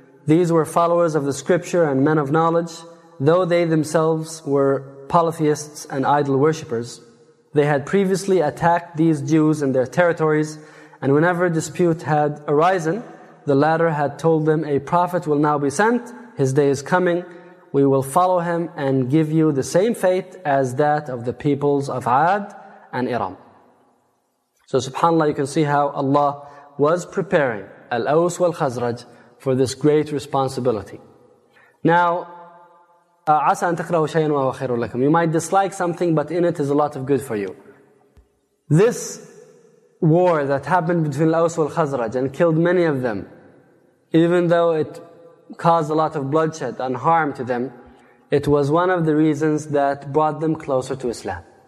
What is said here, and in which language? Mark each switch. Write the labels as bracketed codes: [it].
[en] These were followers of the scripture and men of knowledge. Though they themselves were polytheists and idol worshippers, they had previously attacked these Jews in their territories, and whenever a dispute had arisen, the latter had told them, "A prophet will now be sent, his day is coming, we will follow him and give you the same fate as that of the peoples of Ad and Iram." So subhanAllah, you can see how Allah was preparing Al-Aws wal-Khazraj for this great responsibility. [ar] Now, عَسَىٰ أَن تَقْرَهُ شَيْئًا وَهُوَ خَيْرٌ لَكُمْ. [en] You might dislike something, but in it is a lot of good for you. This war that happened between Al-Aws wal-Khazraj and killed many of them, even though it caused a lot of bloodshed and harm to them, it was one of the reasons that brought them closer to Islam.